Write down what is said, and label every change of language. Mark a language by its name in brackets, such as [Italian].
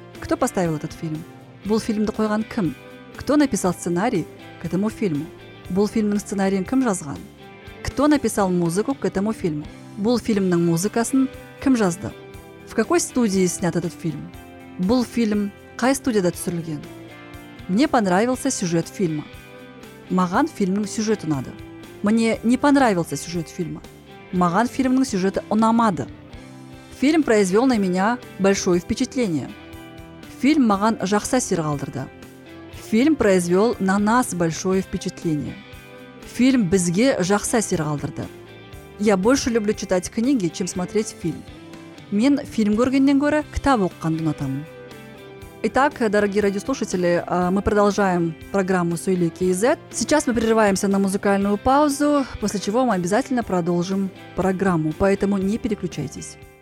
[Russian] Кто поставил этот фильм? [Kazakh] Бұл фильмді қойған кім? [Russian] Кто написал сценарий к этому фильму? [Kazakh] Бұл фильмнің сценарийін кім жазған? [Russian] Кто написал музыку к этому фильму? [Kazakh] Бұл фильмнің музыкасын кім жазды? [Russian] В какой студии снят этот фильм? [Kazakh] Бұл фильм қай студияда түсірілген? [Russian] Мне понравился сюжет фильма. [Kazakh] Маған фильмнің сюжеті ұнады. [Russian] Мне не понравился сюжет фильма. [Kazakh] Маған фильмнің сюжеті ұнамады. [Russian] Фильм произвел на меня большое впечатление. [Kazakh] Фильм маған жақсы әсер қалдырды. [Russian] Фильм произвел на нас большое впечатление. [Kazakh] Фильм бізге жақсы әсер қалдырды. [Russian] Я больше люблю читать книги, чем смотреть фильм. [Kazakh] Мен фильм көргеннен гөрі кітап оқығанды ұнатамын. [Russian] Итак, дорогие радиослушатели, мы продолжаем программу «Сөйлейки из Эд». Сейчас мы прерываемся на музыкальную паузу, после чего мы обязательно продолжим программу. Поэтому не переключайтесь.